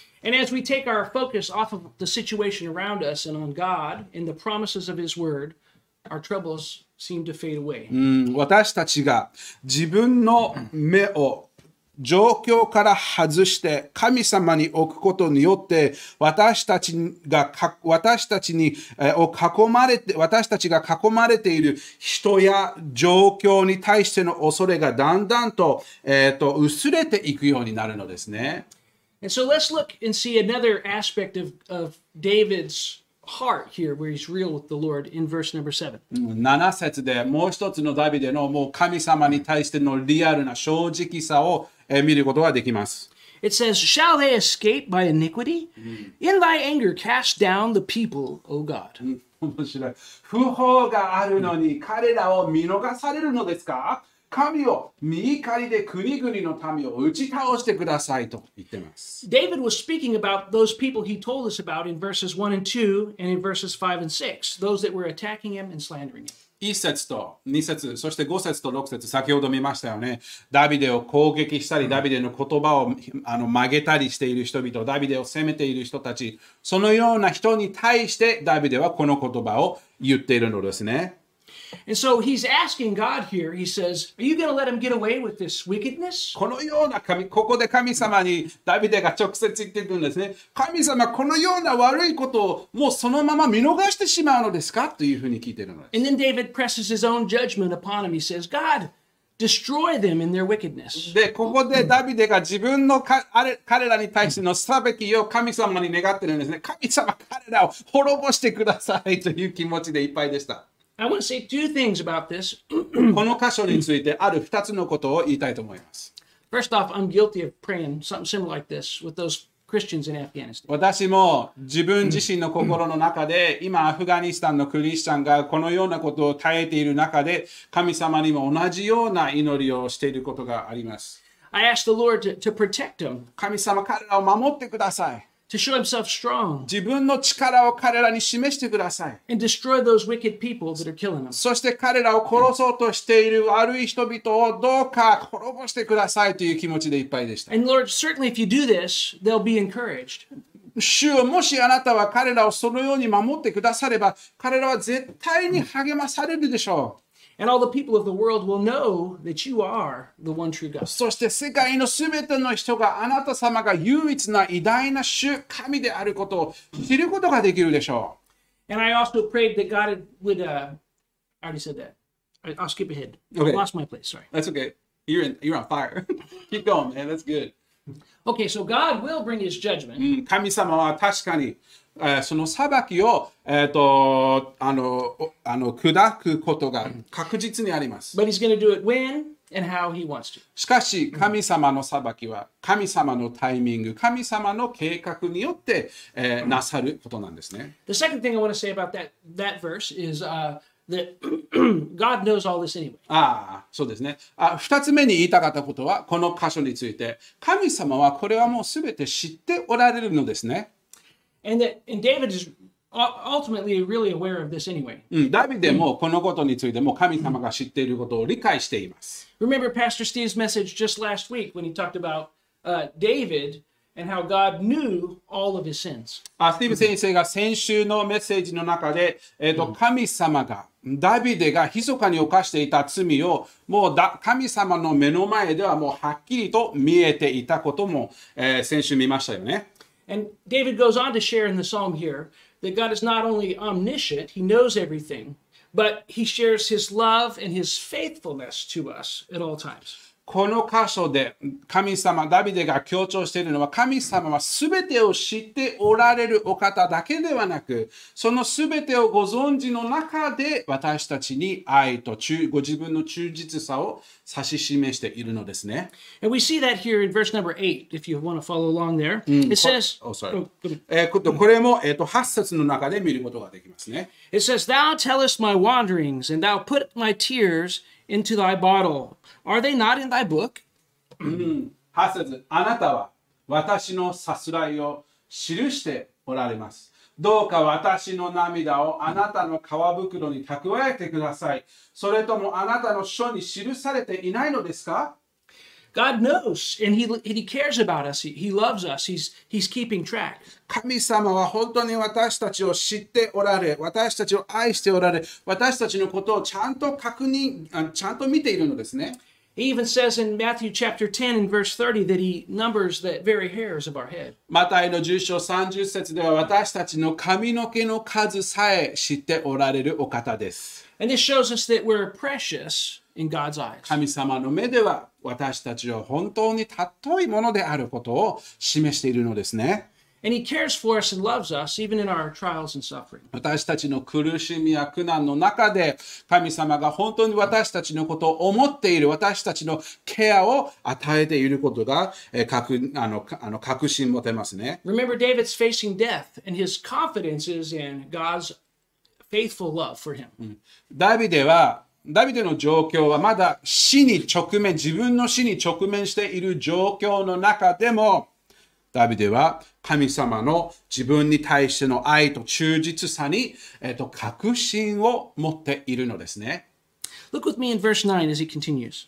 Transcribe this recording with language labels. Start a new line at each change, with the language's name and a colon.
English: And as we take our focus off of the situation around us and on God and the promises of His Word, our troubles seem to fade away.
Japanese: 私たちが自分の目を状況から外して神様に置くことによって私たちが囲まれている人や状況に対しての恐れがだんだん と薄れていくようになるのですね。
English: And so let's look and see another aspect of David's heart here where he's real with the Lord in verse number 7.
Japanese: 7節でもう一つのダビデのもう神様に対してのリアルな正直さを見ることができます。
English: It says, Shall they escape by iniquity? In thy anger cast down the people, O God.
Japanese: 面白い。不法があるのに彼らを見逃されるのですか? 神を身怒りで国々の民を打ち倒してくださいと言ってます。
English: David was speaking about those people he told us about in verses 1 and 2 and in verses 5 and 6, those that were attacking him and slandering him.
Japanese: 1節と2節、そして5節と6節、先ほど見ましたよね。ダビデを攻撃したり、ダビデの言葉を曲げたりしている人々、ダビデを責めている人たち、そのような人に対してダビデはこの言葉を言っているのですね。
English: And so he's asking God here, he says, are you going to let him get away with this wickedness?
Japanese: このような神、ここで神様にダビデが直接言ってるんですね。神様、このような悪いことをもうそのまま見逃してしまうのですか？というふうに聞いてるのです。
English: And then David presses his own judgment upon him. He says, God, destroy them in their wickedness.
Japanese: で、ここでダビデが自分のあれ彼らに対しての裁きを神様に願ってるんですね。神様、彼らを滅ぼしてくださいという気持ちでいっぱいでした。
English: I want to say two things about this.
Japanese: この箇所についてある2つのことを言いたいと思います。
English: First off, I'm guilty of praying something similar like this with those Christians in Afghanistan.
Japanese: 私も自分自身の心の中で今アフガニスタンのクリスチャンがこのようなことを耐えている中で神様にも同じような祈りをしていることがあります。
English: I ask the Lord to protect them.
Japanese: 神様、彼らを守ってください。
English: To show himself strong.
Japanese: 自分の力を彼らに示してください。
English: And destroy those wicked people that are killing them.
Japanese: そして彼らを殺そうとしている悪い人々をどうか滅ぼしてくださいという気持ちでいっぱいでした。
English: And Lord, certainly if you do this, they'll be encouraged.
Japanese: 主よ、もしあなたは彼らをそのように守ってくだされば、彼らは絶対に励まされるでしょう。
English: And all the people of the world will know that you are the one true God.
Japanese: そして世界のすべての人があなた様が唯一な偉大な主、神であることを知ることができるでしょう。
English: And I also prayed that God would, I already said that. I'll skip ahead. Okay. I lost my place, sorry. That's okay. You're on fire. Keep going, man. That's good. Okay, so God will bring his judgment.
Japanese: 神様は確かに。その裁きを、砕くことが確実にあります。
English: But he's gonna do it when and how he wants to.
Japanese: しかし、神様の裁きは、神様のタイミング、神様の計画によって、なさることなんですね。
English: The second thing I want to say about that verse is, that God knows all this anyway.
Japanese: ああ、そうですね。二つ目に言いたかったことは、この箇所について、神様はこれはもうすべて知っておられるのですね。
English: And David is ultimately really aware of this anyway.
Japanese: ダビデもこのことについても神様が知っていることを理解しています。
English: Remember Pastor Steve's message just last week when he talked about David and how God knew all of his sins.
Japanese: スティーブ先生が先週のメッセージの中で、神様がダビデが密かに犯していた罪をもう神様の目の前ではもうはっきりと見えていたことも、先週見ましたよね。
English: And David goes on to share in the psalm here that God is not only omniscient, he knows everything, but he shares his love and his faithfulness to us at all times.
Japanese: この箇所で神様、ダビデが強調しているのは神様は全てを知っておられるお方だけではなく、その全てをご存知の中で私たちに愛とご自分の忠実さを指し示しているのですね。
English: And we see that here in verse number 8, if you want to follow along there. It says,
Japanese: これも、8節の中で見ることができますね。
English: It says, Thou tellest my wanderings, and thou put my tears into thy bottle. Are they not in thy book?
Japanese: 8節、あなたは私のさすらいを記しておられます。どうか私の涙をあなたの皮袋に蓄えてください。それともあなたの書に記されていないのですか？
English: God knows and he cares about us. He loves us. He's keeping track.
Japanese: 神様は本当に私たちを知っておられ、私たちを愛しておられ、私たちのことをちゃんと確認、ちゃんと見ているのですね。
English: He even says in Matthew chapter 10 and verse 30 that he numbers the very hairs of our head.
Japanese: マタイの10章30節では私たちの髪の毛の数さえ知っておられるお方です。
English: And this shows us that we're precious in God's eyes.
Japanese: 神様の目では私たちは本当に尊いものであることを示しているのですね。
English: And he cares for us and loves us even in our trials and suffering.
Japanese: 私たちの苦しみや苦難の中で神様が本当に私たちのことを思っている、私たちのケアを与えていることが確信持てますね。
English: Remember David's facing death and his confidence is in God's faithful love for him.
Japanese: ダビデの状況はまだ死に直面、自分の死に直面している状況の中でもダビデは神様の自分に対しての愛と忠実さに、確信を持っているのですね。
English: Look with me in verse 9 as he continues.